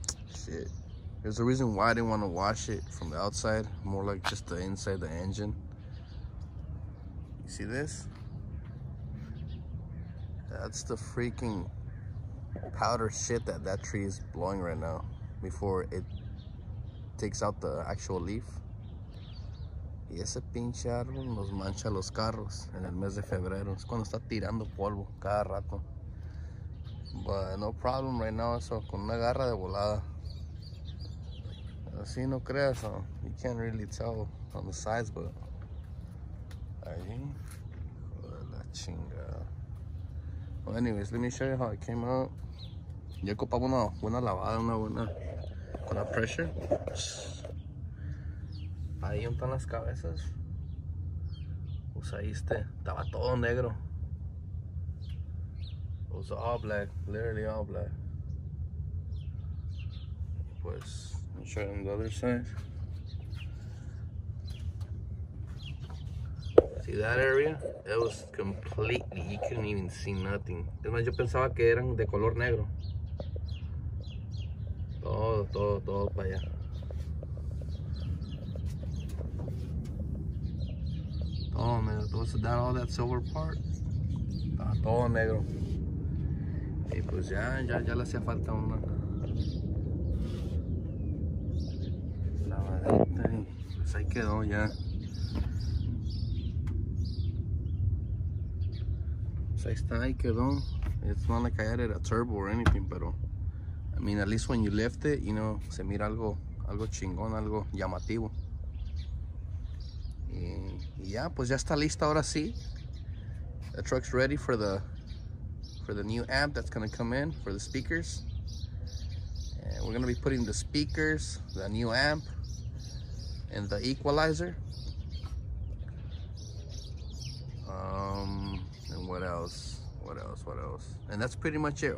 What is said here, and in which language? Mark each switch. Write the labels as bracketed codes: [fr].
[en] Shit, there's a reason why I didn't want to wash it from the outside, more like just the inside, the engine. You see this? That's the freaking powder shit that tree is blowing right now before it takes out the actual leaf. [es] Y ese pinche árbol nos mancha los carros en el mes de febrero. Es cuando está tirando polvo cada rato. [en] But no problem right now, [es] eso con una garra de volada. Así no creas, ¿no? [en] You can't really tell on the sides, but. [es] Ahí. Joder, la chingada. [en] Well, anyways, let me show you how it came out. [es] Ya ocupaba una buena lavada, una buena. Con la pressure. Ahí untan las cabezas. Pues ahí estaba todo negro. [en] It was all black, literally all black. [es] Pues, [en] I'm showing the other side. See that area? It was completely, you couldn't even see nothing. [es] Es más, yo pensaba que eran de color negro. Todo para allá. [en] Oh man, was that all that silver part? [es] Ah, todo negro. Y pues ya, ya, ya le hacía falta una. La maleta, pues ahí quedó ya. Pues ahí está, ahí quedó. [en] It's not like I added a turbo or anything, pero I mean, at least when you lift it, you know, [es] se mira algo, algo chingón, algo llamativo. Y ya, pues ya está lista ahora sí. [en] The truck's ready for the new amp that's gonna come in for the speakers. And we're gonna be putting the speakers, the new amp, and the equalizer. And what else? What else? What else? And that's pretty much it.